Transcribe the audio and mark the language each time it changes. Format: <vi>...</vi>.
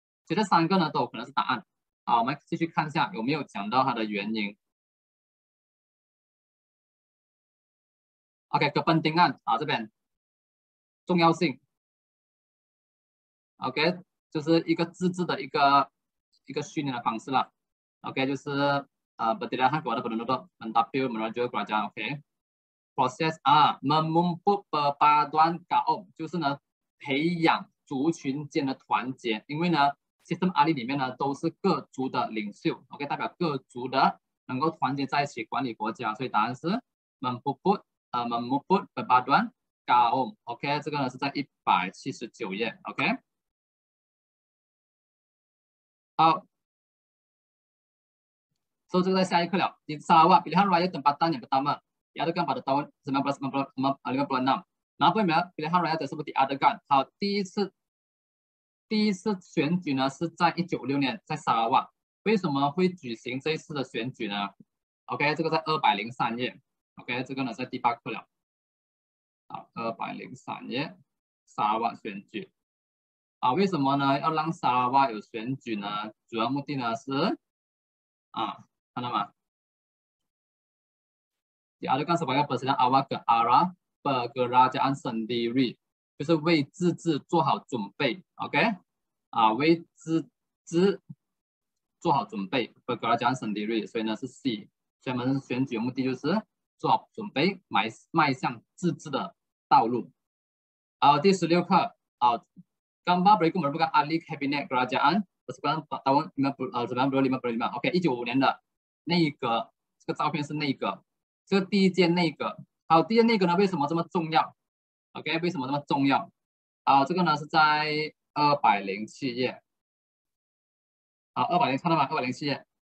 <zh>所以这三个呢，都有可能是答案。好，我们继续看一下有没有讲到它的原因。 OK， 哥本丁案啊，这边重要性。 OK， 就是一个自治的一个训练的方式了。</zh> <ms>OK， 就是berdasarkan kepada penduduk mentapi menuju kerajaan.</ms> <zh>OK，</zh> <ms>proses memumpuk perpaduan kaum，</ms> <zh>就是呢培养族群间的团结，因为呢 sistem ahli 里面呢都是各族的领袖。 OK， 代表各族的能够团结在一起管理国家，所以答案是</zh> <ms>memumpuk perpaduan kaum。</ms> <zh>OK， 这个呢是在179页。OK。好，所以这个在下一课了。</zh> <ms>Di Sarawak pilihan raya tempatan yang pertama diadakan pada tahun 1956. Kenapa ini pilihan raya tersebut diadakan?</ms> <zh>好，第一次选举呢是在1956年在 Sarawak。为什么会举行这一次的选举呢 ？OK， 这个在203页。 OK， 这个呢在第八课了。好，203页 Sarawak 选举。啊，为什么呢？要让沙拉瓦有选举呢？主要目的呢是，啊，看到吗？第二个干什么？要本身让阿瓦跟阿拉伯格拉加安森迪瑞，就是为自治做好准备。 OK， 啊，为自治做好准备，伯格拉加安森迪瑞，所以呢是 C。专门选举的目的就是做好准备，迈向自治的道路。好，第十六课，好。</zh> <ms>Gambar berikut merupakan ahli kabinet kerajaan persekutuan tahun 1955.</ms> <zh>OK， 1955年的内阁，这个照片是内阁，这个第一届内阁。好，第一届内阁呢为什么这么重要 ？OK， 为什么这么重要？好，这个呢是在207页。好，207看到吗？207页。</zh>